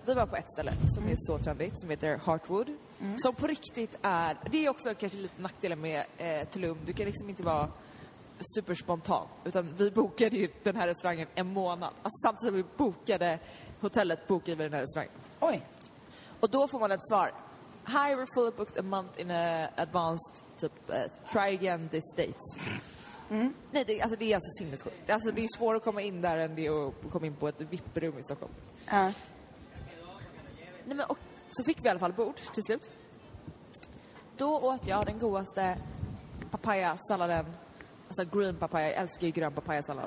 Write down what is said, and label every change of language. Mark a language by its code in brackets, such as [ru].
[sv] Vi var på ett ställe som är så trendigt, som heter Heartwood. Mm. Som på riktigt är... Det är också kanske lite nackdelen med Tulum. Du kan liksom inte vara superspontan. Utan vi bokade ju den här restaurangen en månad. Alltså samtidigt som vi bokade hotellet, bokade vi den här restaurangen. Oj. Och då får man ett svar. [en] Hi, we're fully booked a month in advanced, typ, try again this date. [sv] Mm. Nej, det är alltså sinnessjukt. Alltså det är svårare att komma in där än det att komma in på ett VIP-rum i Stockholm. Nej, men, och så fick vi i alla fall bord till slut. Då åt jag den godaste papayasalladen. Alltså green papaya, jag älskar ju grön papayasallad.